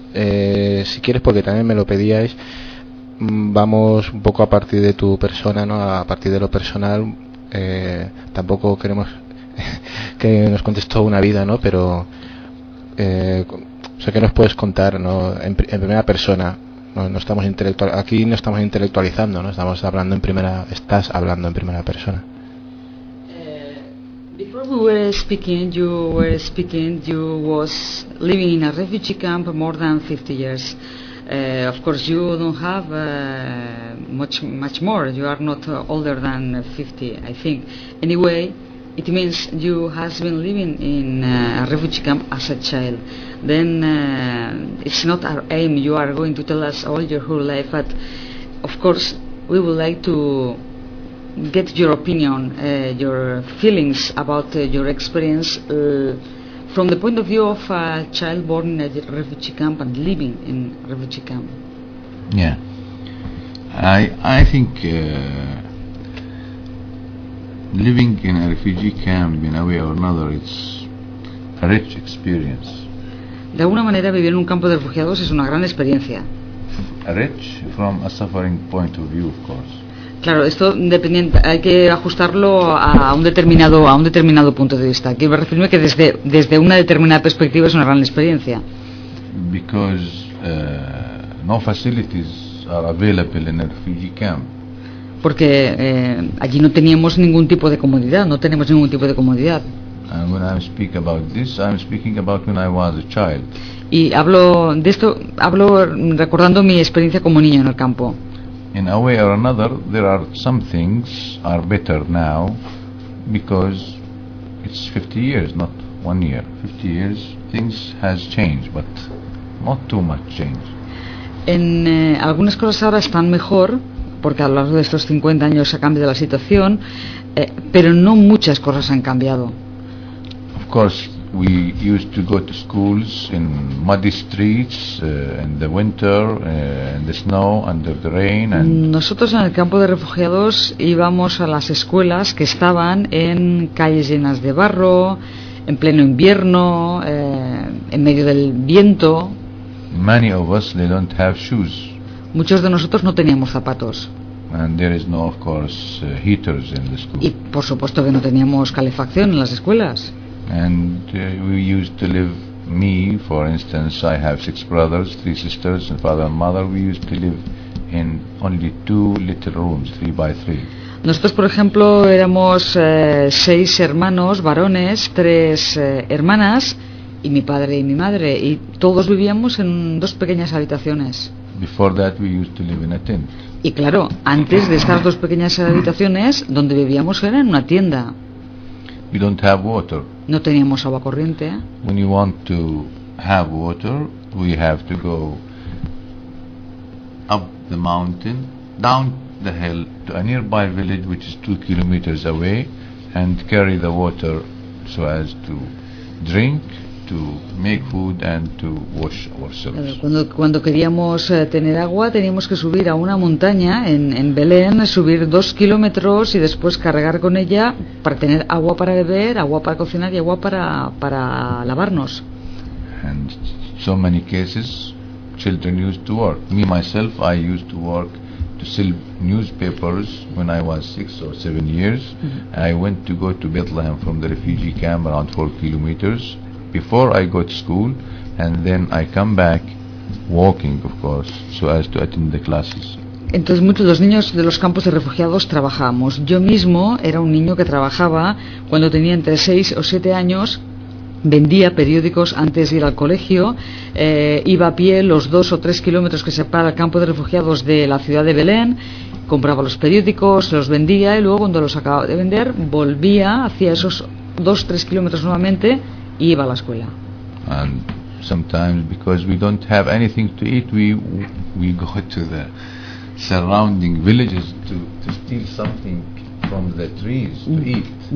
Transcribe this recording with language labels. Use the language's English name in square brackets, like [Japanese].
[Spanish] Si quieres, porque también me lo pedíais, vamos un poco a partir de tu persona, ¿no? A partir de lo personal, tampoco queremos que nos cuentes toda una vida, ¿no? Pero o sea, ¿qué nos puedes contar, ¿no? En primera persona, no estamos aquí no estamos intelectualizando, ¿no? Estamos hablando en primera, estás hablando en primera persona. [English] Before we were speaking, you were speaking, you was living in a refugee camp more than 50 years. Of course, you don't have much more. You are not older than 50, I think. Anyway, it means you has been living in a refugee camp as a child. Then it's not our aim. You are going to tell us all your whole life, but of course we would like to get your opinion, your feelings about your experience from the point of view of a child born in a refugee camp and living in a refugee camp. Yeah, I think living in a refugee camp, in a way or another, it's a rich experience. [Spanish] De alguna manera, vivir en un campo de refugiados es una gran experiencia. [English] Rich from a suffering point of view, of course. [Spanish] Claro, esto dependiente, hay que ajustarlo a un determinado punto de vista. Quiero referirme que desde una determinada perspectiva es una gran experiencia. [English] Because no facilities are available in a refugee camp. [Spanish] Porque allí no teníamos ningún tipo de comodidad, no tenemos ningún tipo de comodidad. [English] And when I speak about this, I'm speaking about when I was a child. [Spanish] Y hablo de esto, hablo recordando mi experiencia como niño en el campo. [English] In a way or another, there are some things are better now because it's 50 years, not 1 year. 50 years, things has changed, but not too much change. [Spanish] Algunas cosas ahora están mejor, porque a lo largo de estos 50 años ha cambiado la situación, pero no muchas cosas han cambiado. [English] Of course, we used to go to schools in muddy streets in the winter, in the snow, under the rain. And [Spanish] nosotros en el campo de refugiados íbamos a las escuelas que estaban en calles llenas de barro, en pleno invierno, en medio del viento. [English] Many of us, they don't have shoes. [Spanish] Muchos de nosotros no teníamos zapatos. [English] And there is no, of course, heaters in the school. [Spanish] Y por supuesto que no teníamos calefacción en las escuelas. [English] And we used to live, me, for instance, I have 6 brothers, 3 sisters, and father and mother. We used to live in only 2 little rooms, 3x3. [Spanish] Nosotros, por ejemplo, éramos 6 hermanos, varones, 3 hermanas, y mi padre y mi madre, y todos vivíamos en 2 pequeñas habitaciones. [English] Before that, we used to live in a tent. [Spanish] Y claro, antes de estas 2 pequeñas habitaciones, donde vivíamos era en una tienda. [English] We don't have water. [Spanish] No teníamos agua corriente. [English] When you want to have water, we have to go up the mountain, down the hill to a nearby village which is 2 kilometers away, and carry the water so as to drink, to make food and to wash ourselves. [Spanish] Cuando queríamos tener agua, teníamos que subir a una montaña en Belén, subir 2 kilómetros y después cargar con ella para tener agua para beber, agua para cocinar y agua para lavarnos. [English] And so many cases, children used to work. Me myself, I used to work to sell newspapers when I was 6 or 7 years. Mm-hmm. I went to go to Bethlehem from the refugee camp around 4 kilometers before I got school, and then I come back walking, of course, so as to attend the classes. [Spanish] Entonces muchos de los niños de los campos de refugiados trabajábamos. Yo mismo era un niño que trabajaba cuando tenía entre 6 o 7 años. Vendía periódicos antes de ir al colegio, iba a pie los 2 o 3 kilómetros que separa el campo de refugiados de la ciudad de Belén, compraba los periódicos, los vendía y luego cuando los acababa de vender volvía hacia esos 2 o 3 kilómetros nuevamente y iba a la escuela. [English] And sometimes because we don't have anything to eat, we go to the surrounding villages to steal something from the trees to eat.